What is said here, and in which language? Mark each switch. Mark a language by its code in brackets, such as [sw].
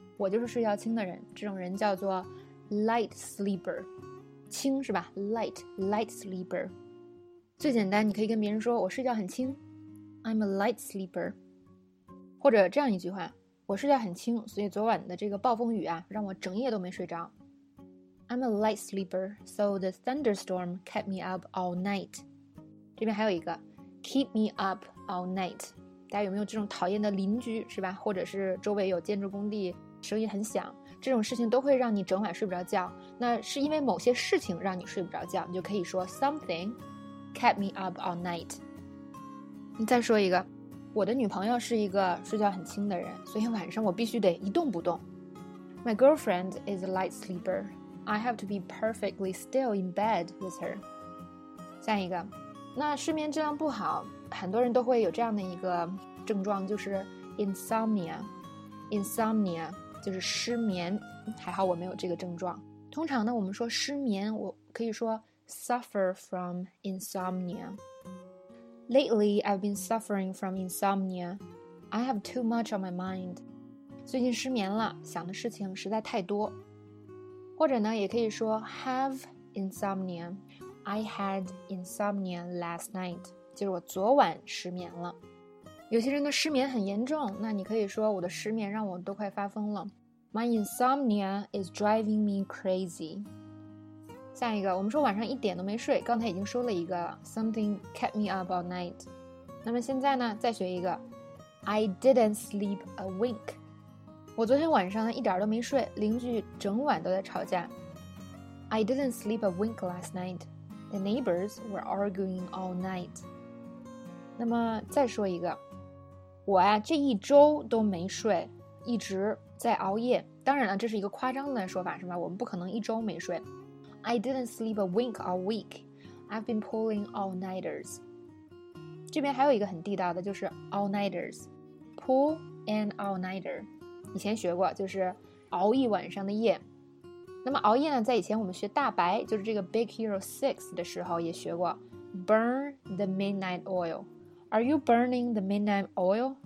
[zh] 我就是睡觉轻的人，这种人叫做 light sleeper， 轻是吧？ [en] light sleeper。 [zh] 最简单你可以跟别人说我睡觉很轻， [en] I'm a light sleeper， [zh] 或者这样一句话，我睡觉很轻，所以昨晚的这个暴风雨啊，让我整夜都没睡着。 [en] I'm a light sleeper, so the thunderstorm kept me up all night. [zh] 这边还有一个 [en] keep me up all night. [zh] 大家有没有这种讨厌的邻居，是吧？或者是周围有建筑工地，声音很响，这种事情都会让你整晚睡不着觉。那是因为某些事情让你睡不着觉，你就可以说 [en] something kept me up all night. [zh] 你再说一个。我的女朋友是一个睡觉很轻的人，所以晚上我必须得一动不动。 [en] My girlfriend is a light sleeper. I have to be perfectly still in bed with her. [zh] 下一个，那睡眠质量不好，很多人都会有这样的一个症状，就是 insomnia。 insomnia 就是失眠，还好我没有这个症状。通常呢，我们说失眠，我可以说 [en] suffer from insomnia。 Lately, I've been suffering from insomnia. I have too much on my mind. [zh] 最近失眠了，想的事情实在太多。或者呢，也可以说 [en] have insomnia. I had insomnia last night. [zh] 就是我昨晚失眠了。有些人的失眠很严重，那你可以说我的失眠让我都快发疯了。 [en] My insomnia is driving me crazy. [zh] 下一个，我们说晚上一点都没睡，刚才已经说了一个 [en] something kept me up all night， [zh] 那么现在呢再学一个 [en] I didn't sleep a wink， [zh] 我昨天晚上呢一点都没睡，邻居整晚都在吵架。 [en] I didn't sleep a wink last night. The neighbors were arguing all night. [zh] 那么再说一个，我啊这一周都没睡，一直在熬夜。当然了，这是一个夸张的说法，是吧？我们不可能一周没睡。 [en] I didn't sleep a wink all week. I've been pulling all-nighters. [zh] 这边还有一个很地道的，就是 all-nighters. [en] Pull an all-nighter. [zh] 以前学过，就是熬一晚上的夜。那么熬夜呢，在以前我们学大白，就是这个 Big Hero 6的时候也学过。 [en] Burn the midnight oil. Are you burning the midnight oil?